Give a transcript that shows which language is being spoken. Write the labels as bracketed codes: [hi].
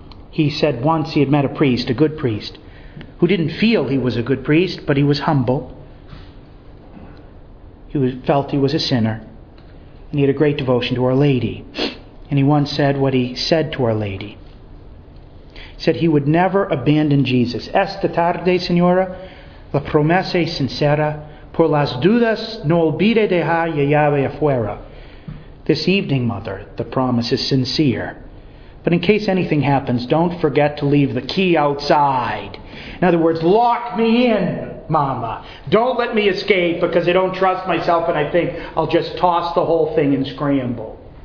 [en] He said once he had met a priest, a good priest, who didn't feel he was a good priest, but he was humble. He felt he was a sinner, and he had a great devotion to Our Lady. And he once said what he said to Our Lady. He said he would never abandon Jesus. [es] Esta tarde, Señora, la promesa sincera, por las dudas, no olvide dejar la llave afuera. [en] This evening, Mother, the promise is sincere. But in case anything happens, don't forget to leave the key outside. In other words, lock me in, Mama. Don't let me escape because I don't trust myself and I think I'll just toss the whole thing and scramble.